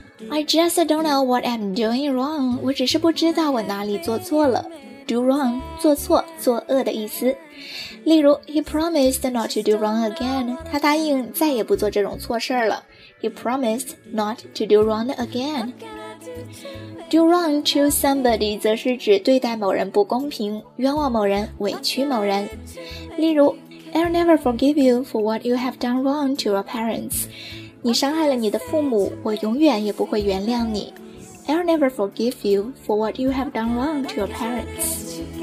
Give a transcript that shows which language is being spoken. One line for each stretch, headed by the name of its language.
English: I just don't know what I'm doing wrong.
Chinese: 我只是不知道我哪里做错了。
English: Do wrong,
Chinese: 做错、做恶的意思。例如
English: ,He promised not to do wrong again.
Chinese: 他答应再也不做这种错事了。
English: He promised not to do wrong again. Do wrong to somebody
Chinese: 则是指对待某人不公平、冤枉某人、委屈某人。例如
English: ,I'll never forgive you for what you have done wrong to your parents.
Chinese: 你伤害了你的父母,我永远也不会原谅你。
English: I'll never forgive you for what you have done wrong to your parents.